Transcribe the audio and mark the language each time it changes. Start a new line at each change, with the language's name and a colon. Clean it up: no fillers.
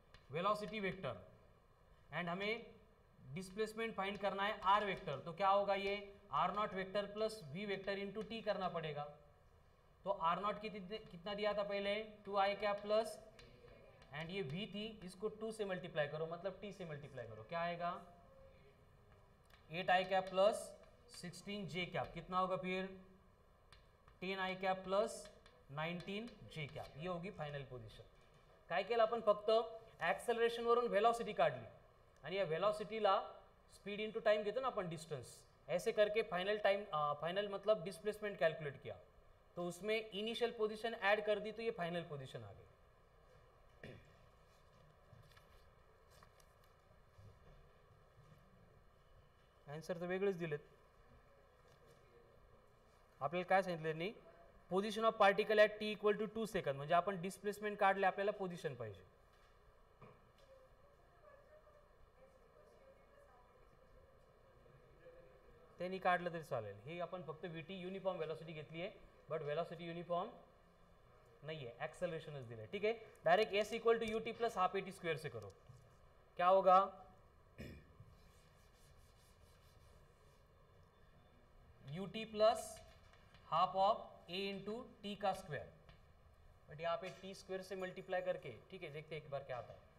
Hindi: Velocity vector, and हमें displacement find करना है आर वेक्टर, तो क्या होगा ये are not vector plus V vector into T करना पड़ेगा, तो आर नॉट कितना दिया था पहले 2i कैप प्लस, एंड ये वी थी, इसको 2 से मल्टीप्लाई करो, मतलब टी से मल्टीप्लाई करो, क्या आएगा 8i cap plus 16j cap, कितना होगा फिर 10i cap plus 19j cap, ये होगी फाइनल पोजिशन।
Marathi: काय केलं आपण, फक्त एक्सेलरेशन वरून वेलॉसिटी काढली, आणि या वेलॉसिटीला
Hindi: स्पीड इनटू टाइम कितना अपन डिस्टेंस, ऐसे करके फाइनल टाइम फाइनल मतलब डिस्प्लेसमेंट कैलकुलेट किया, तो उसमें इनिशियल पोजीशन ऐड कर दी तो ये फाइनल पोजीशन आ गई।
Marathi: आंसर तो वेगळेच दिलेत आपल्याला, काय सांगितलं नाही,
English: position of particle at t equal to 2 second,
Marathi: म्हणजे आपण डिस्प्लेसमेंट काढले आपल्याला पोजिशन पाहिजे। त्यांनी काढलं तरी चालेल, हे आपण फक्त व्ही टी युनिफॉर्म वेलॉसिटी घेतली आहे,
English: but velocity uniform
Marathi: नाही आहे, ॲक्सलरेशनच दिलं आहे। ठीक आहे,
Hindi: direct S equal to U T plus half A T square से करो, क्या होगा, U T plus half of A into T का स्क्वेयर, बट यहाँ पे टी स्क्वेयर से मल्टीप्लाई करके, ठीक है देखते एक बार क्या आता है।